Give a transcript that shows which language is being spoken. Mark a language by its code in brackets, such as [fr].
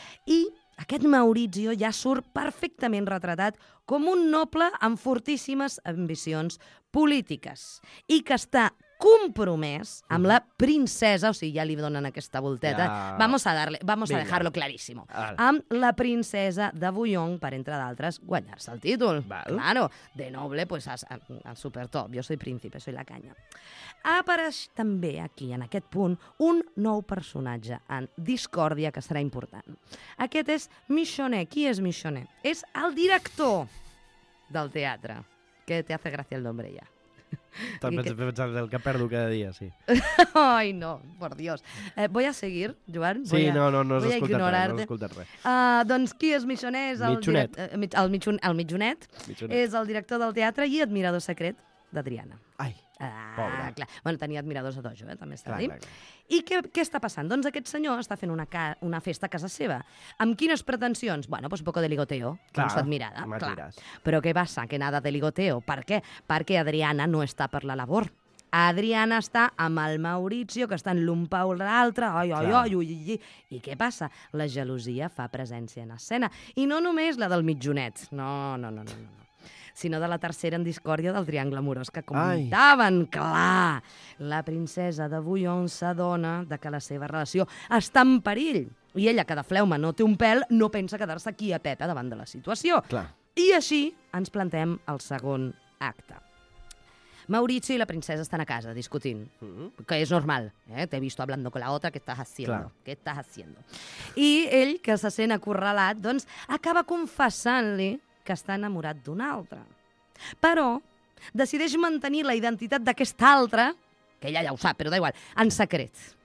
[ca] I aquest Maurizio ja surt perfectament retratat com un noble amb fortíssimes ambicions polítiques i que està compromès amb la princesa, o sigui, ja li donen aquesta volteta, [es] vamos a dejarlo clarísimo, [ca] amb la princesa de Bouillon per, entre d'altres, guanyar-se el títol. [es] Claro, de noble, pues, al supertop, yo soy príncipe, soy la caña. [ca] Apareix també aquí, en aquest punt, un nou personatge en discòrdia que serà important. Aquest és Michonne. Qui és Michonne? És el director del teatre. [es] Que te hace gracia el nombre ya. [ca] Pensar del que perdo cada dia, sí. [es] Ai, no, por Dios. Voy a seguir, Joan? [ca] Sí, no has escoltat res. Doncs qui és Michonne? Michonet. El Michonet. És el director del teatre i admirador secret d'Adriana. Ai, pobre. Clar. Bueno, tenia admiradors a dojo, també s'ha de dir. Clar. I què està passant? Doncs aquest senyor està fent una festa a casa seva. Amb quines pretensions? [es] Bueno, pues un poco de ligoteo, con su admirada. [ca] Clar. Però què passa? [es] Que nada de ligoteo. [ca] Per què? Perquè Adriana no està per la labor. Adriana està amb el Maurizio, que està en l'un pau l'altre. I què passa? La gelosia fa presència en escena. I no només la del mitjonet. No. Sinó de la tercera en discòrdia del triangle amorós que comentaven. Ai. Clar, la princesa de Bouillon s'adona de que la seva relació està en perill i ella, que de fleuma no té un pèl, no pensa quedar-se quieteta davant de la situació. Clar. I així ens plantem el segon acte. Maurizio i la princesa estan a casa discutint, que és normal. [es] T'he visto hablando con la otra, ¿qué estás haciendo? [ca] I ell, que se sent acorralat, doncs acaba confessant-li que està enamorat d'un altre. Però decideix mantenir la identitat d'aquesta altra, que ella ja ho sap, però d'igual, en secret.